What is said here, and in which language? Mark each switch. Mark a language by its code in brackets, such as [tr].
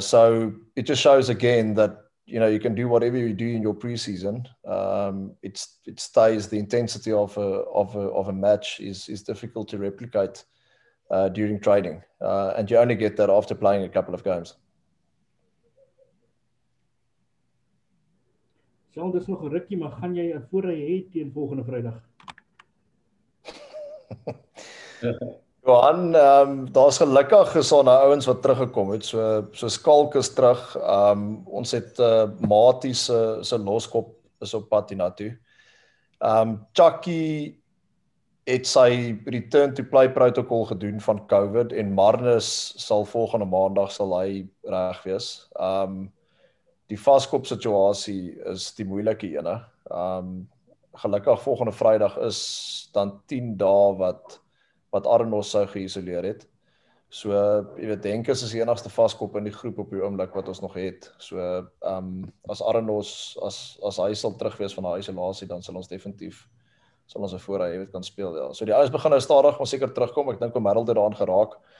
[en] So it just shows again that, you know, you can do whatever you do in your pre-season. It stays, the intensity of a match is difficult to replicate during training. And you only get that after playing a couple of games. [af] Sal, dis nog 'n rukkie, maar gaan jy 'n voorry hê teen volgende Vrydag? Johan, daar's gelukkig gesonde ouens wat teruggekom het. So Skalk is terug. Ons het Maties se loskop is op pad hiernatoe. Chucky het sy [en] return to play protocol [af] gedoen van COVID en Marnus sal volgende maandag sal hy reg wees. Die vaskop situasie is die moeilike ene. Gelukkig volgende Vrydag is dan 10 dae wat Arnos sou geïsoleer het. So, jy weet, Henkes is die enigste vaskop in die groep op die oomblik wat ons nog het. So, as Arnos, as hy sal terugwees van haar isolasie, dan sal ons definitief, sal ons voorraad, jy weet, kan speel. Ja. So, die ouens begin nou stadig, maar seker terugkom. Ek dink om Harold het daaraan geraak.